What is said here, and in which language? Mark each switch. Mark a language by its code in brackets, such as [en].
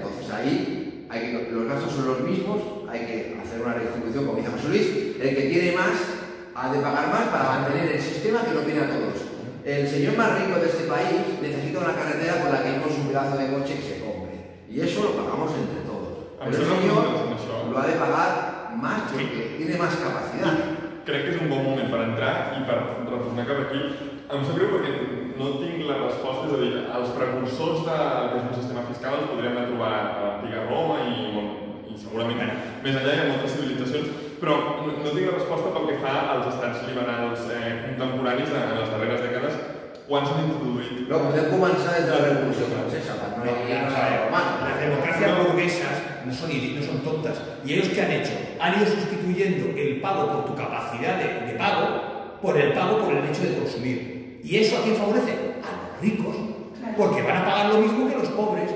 [es] Entonces ahí hay que, los gastos son los mismos, hay que hacer una redistribución, como dice José Luis, el que tiene más ha de pagar más para mantener el sistema que lo tiene a todos. El señor más rico de este país necesita una carretera con la que con su pedazo de coche que se compre. Y eso lo pagamos entre todos. Pero el señor lo ha de pagar más porque tiene más capacidad. [ca] Crec que és un bon moment per entrar i per retornar cap aquí. Em sap greu perquè no tinc la resposta, és a dir, els precursors del sistema fiscal els podríem trobar a l'antiga Roma i, bueno, i segurament més enllà hi ha moltes civilitzacions, però no tinc la resposta pel que fa als estats liberals contemporanis en les darreres dècades, quan s'han introduït? No, podem començar des de la Revolució Francesa, quan no hi ha res a Roma. Les democràcies burgueses no són idiotes, no són tontes. I ells què [es] han hecho? Han ido sustituyendo el pago por tu capacidad de pago por el pago por el hecho de consumir. ¿Y eso a quién favorece? A los ricos. Porque van a pagar lo mismo que los pobres.